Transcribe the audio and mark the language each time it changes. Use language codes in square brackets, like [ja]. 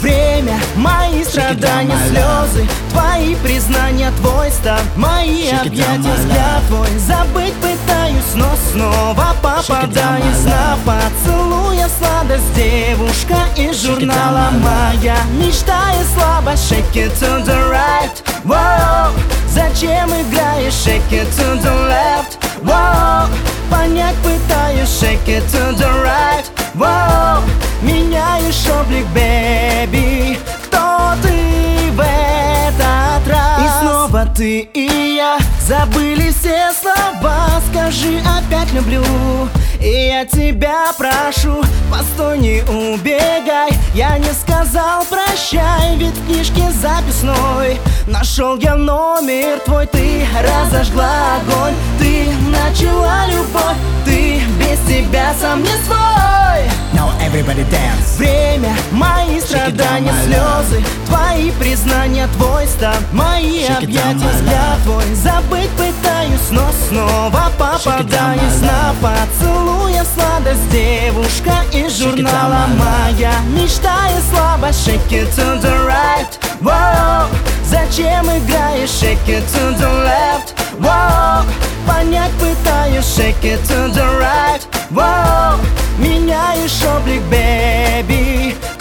[ru] Время, мои страдания, слезы, твои признания, твой став, мои объятия, взгляд твой. Забыть пытаюсь, но снова попадаюсь на поцелуй. Я сладость, девушка из журнала, моя мечта и слабость. [en] Shake it to the right, wow. [ru] Зачем играешь? [en] Shake it to the left, wow. [ru] Понять пытаюсь. [en] Shake it to the right, wow. [ru] Меняешь облик, baby. Кто ты в этот раз? И снова ты и я забыли все слова. Скажи, опять люблю. И я тебя прошу, постой, не убегай. Я не сказал прощай, ведь в книжке записной нашел я номер твой. Ты разожгла огонь, ты начала любовь, ты без тебя сам не свой. [en] Now everybody dance. [ru] Время, мои страдания, слезы, твои признания, твой стан, мои объятия, взгляд твой. Забыть пытаюсь, но снова попадаюсь на поцелуй. Сладость, девушка из журнала, моя мечта и слабость. [en] Shake it to the right, wow. [ru] Зачем играешь? [en] Shake it to the left, wow. [ru] Понять пытаюсь. [en] Shake it to the right, wow. [ru] Меняешь облик, baby.